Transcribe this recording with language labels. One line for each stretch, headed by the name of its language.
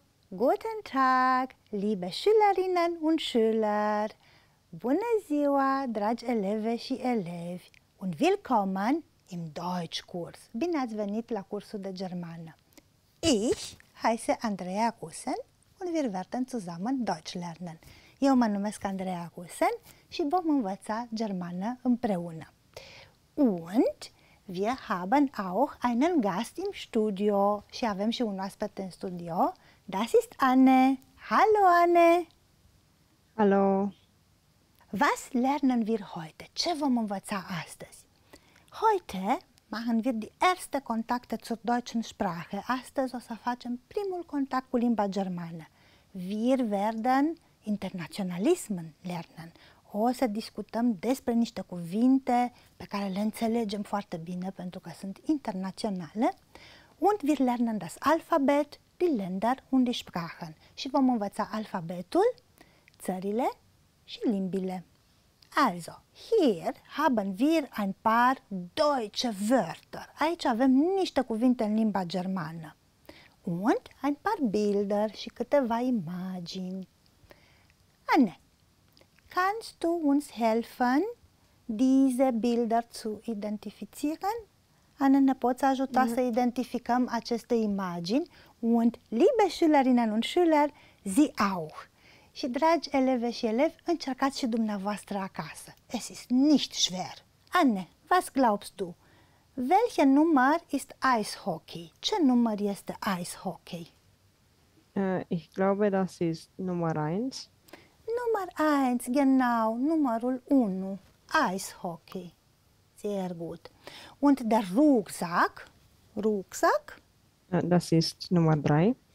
German: Guten Tag, liebe Schülerinnen und Schüler!
Romanian: Bună ziua, dragi eleve și elevi!
German: Und willkommen im Deutschkurs!
Romanian: Bine ați venit la cursul de germană!
German: Ich heiße Andrea Gussen und wir werden zusammen Deutsch lernen.
Romanian: Eu mă numesc Andrea Gussen și vom învăța germană împreună.
German: Und wir haben auch einen Gast im Studio.
Romanian: Și avem și un oaspet în studio.
German: Das ist Anne. Hallo, Anne. Hallo. Was lernen wir heute?
Romanian: Ce vom învăța astăzi?
German: Heute machen wir die erste Kontakte zur deutschen Sprache.
Romanian: Astăzi o să facem primul contact cu limba germană.
German: Wir werden internaționalismen lernen.
Romanian: O să discutăm despre niște cuvinte pe care le înțelegem foarte bine pentru că sunt internaționale.
German: Und wir lernen das Alphabet, die Länder und die Sprachen.
Romanian: Și vom învăța alfabetul, țările și limbile.
German: Also, hier haben wir ein paar deutsche Wörter.
Romanian: Aici avem niște cuvinte în limba germană.
German: Und ein paar Bilder
Romanian: și câteva imagini.
German: Anne, kannst du uns helfen, diese Bilder zu identifizieren?
Romanian: Anne, ne poți ajuta să identificăm aceste imagini?
German: Und liebe Schülerinnen und Schüler, Sie auch!
Romanian: Și dragi eleve și elevi, încercați și dumneavoastră acasă.
German: Es ist nicht schwer. Anne, was glaubst du? Welcher Nummer ist Eishockey?
Romanian: Ce număr este Eishockey?
German: Ich glaube, das ist Nummer 1. Nummer 1, genau,
Romanian: numărul 1.
German: Eishockey. Sehr gut. Und der Rucksack? Rucksack? Das ist Nummer 3.